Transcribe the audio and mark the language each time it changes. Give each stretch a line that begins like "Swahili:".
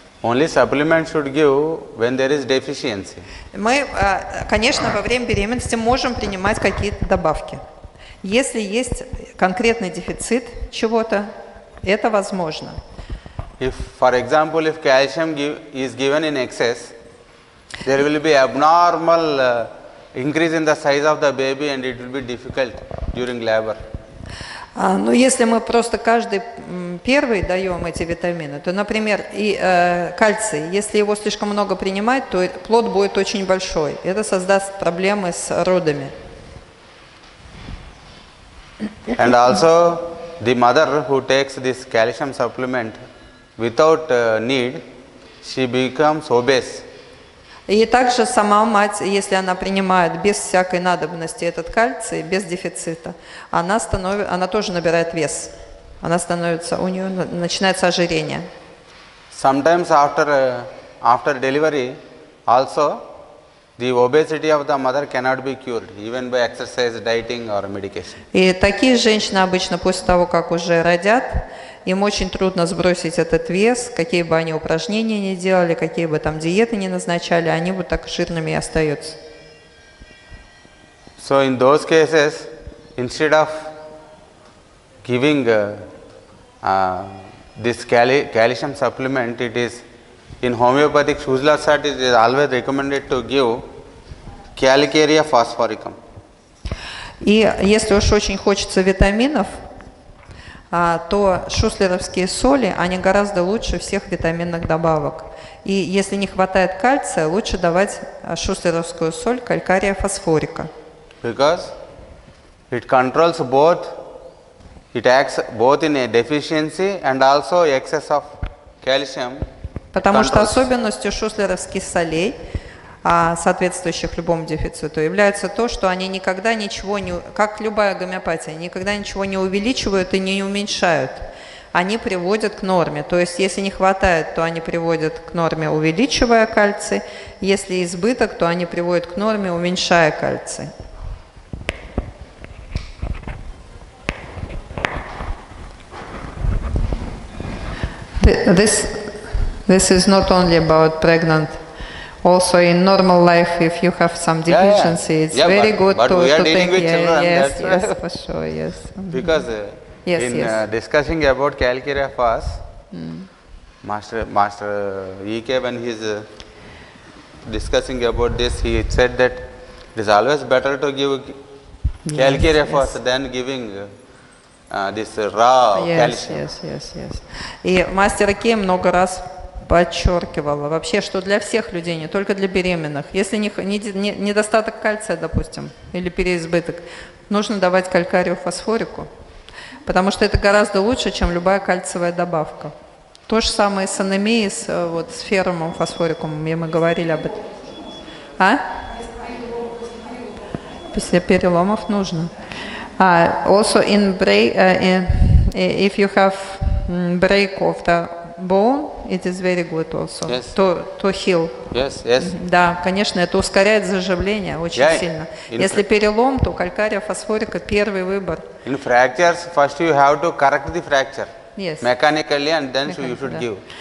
English: Only supplement should give when there is deficiency.
Russian: Мы, конечно, во время беременности можем принимать какие-то добавки. Если есть конкретный дефицит чего-то, это возможно.
English: If, for example, if calcium is given in excess, there will be abnormal increase in the size of the baby, and it will be difficult during labor.
Russian: Но если мы просто каждый первый даем эти витамины, то, например, и кальций, если его слишком много принимать, то плод будет очень большой. Это создаст проблемы с родами.
English: And also the mother who takes this calcium supplement without need, she becomes obese.
Russian: И также сама мать, если она принимает без всякой надобности этот кальций, без дефицита, она тоже набирает вес. Она становится, у нее начинается ожирение.
English: Sometimes after delivery, also the obesity of the mother cannot be cured, even by exercise, dieting or medication.
Russian: И такие женщины обычно после того, как уже родят, им очень трудно сбросить этот вес, какие бы они упражнения ни делали, какие бы там диеты ни назначали, они вот так жирными и остаются.
English: So in those cases, instead of giving this calcium supplement, it is in homeopathic Shuzla Sat, it is always recommended to give Calcarea phosphoricum.
Russian: И если уж очень хочется витаминов, то шуслеровские соли, они гораздо лучше всех витаминных добавок. И если не хватает кальция, лучше давать шуслеровскую соль Calcarea phosphorica.
English: Because it controls both, it acts both in a deficiency and also excess of calcium.
Russian: Потому что особенностью шуслеровских солей, соответствующих любому дефициту, является то, что они никогда ничего не, как любая гомеопатия, никогда ничего не увеличивают и не уменьшают. Они приводят к норме. То есть, если не хватает, то они приводят к норме, увеличивая кальций. Если избыток, то они приводят к норме, уменьшая кальций.
English: This is not only about pregnant. Also, in normal life, if you have some deficiency, it's very good to think. But we are dealing with children. Yes, for sure, yes. Because discussing about Calcarea phos, Master E.K., when he is discussing about this, he said that it is always better to give Calcarea phos than giving this raw calcium. Yes.
Russian: И Master E.K. много раз подчеркивала вообще, что для всех людей, не только для беременных. Если недостаток кальция, допустим, или переизбыток, нужно давать Calcarea phosphorica, потому что это гораздо лучше, чем любая кальциевая добавка. То же самое с анемией, с феррумом фосфориком, мы говорили об этом. А? После переломов нужно.
English: Also in if you have break of the bone, it is very good also. Yes. To heal. Yes, yes.
Russian: Да, конечно, это ускоряет заживление очень сильно. Если перелом, то Calcarea phosphorica первый выбор.
English: In fractures, first you have to correct the fracture. Yes. Mechanically, and then mechanically, so you should give.